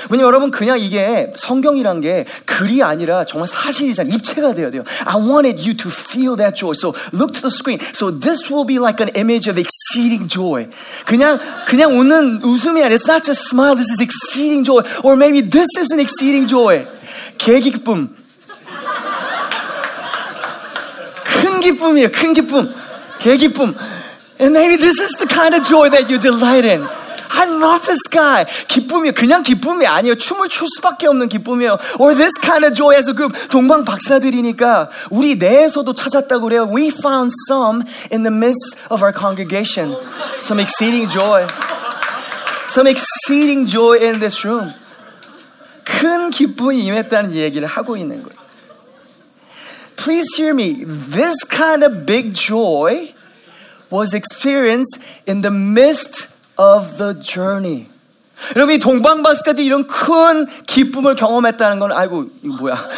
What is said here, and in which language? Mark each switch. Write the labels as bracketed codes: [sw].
[ko] 왜냐면 여러분 그냥 이게 성경이란 게 글이 아니라 정말 사실이잖아요. 입체가 돼야 돼요. [en] I wanted you to feel that joy. So look to the screen. So this will be like an image of exceeding joy. [ko] 그냥 웃는 웃음이 아니라 [en] it's not just smile, this is exceeding joy. Or maybe this is an exceeding joy. 개기쁨. [ko] 큰 기쁨이에요. 큰 기쁨. 개기쁨. [en] And maybe this is the kind of joy that you delight in. I love this guy. [ko] 기쁨이 그냥 기쁨이 아니에요. 춤을 출 수밖에 없는 기쁨이에요. [en] Or this kind of joy as a group. [ko] 동방 박사들이니까 우리 내에서도 찾았다고 그래요. [en] We found some in the midst of our congregation. Some exceeding joy. Some exceeding joy in this room. [ko] 큰 기쁨이 임했다는 얘기를 하고 있는 거예요. [en] Please hear me. This kind of big joy was experienced in the midst of the journey. [ko] 여러분 이 동방 박사들이 이런 큰 기쁨을 경험했다는 건 아이고 이거 뭐야?